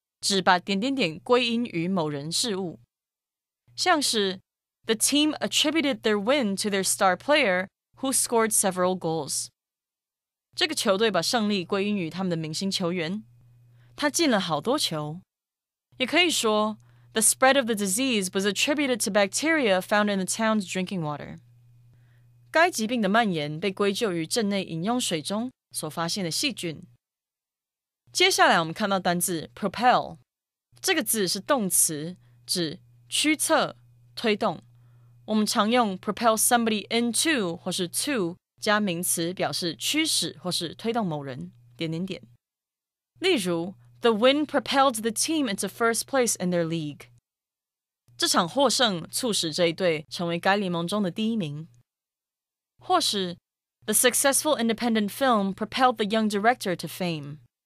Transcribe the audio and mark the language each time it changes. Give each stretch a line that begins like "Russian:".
Chinese: 指把点点点归因于某人事物。像是
English: The team attributed their win to their star player, who scored several goals.
Chinese: 这个球队把胜利归因于他们的明星球员。他进了好多球。也可以说
English: The spread of the disease was attributed to bacteria found in the town's drinking water.
Chinese: 该疾病的蔓延被归咎于镇内饮用水中所发现的细菌。接下来我们看到单字 propel。这个字是动词，指驱策、推动。我们常用 propel somebody into 或是 to 加名词表示驱使或是推动某人。点点点。例如
English: The win propelled the team into first place in their league.
Chinese: 这场获胜促使这一队成为该联盟中的第一名。或是
English: The successful independent film propelled the young director to fame.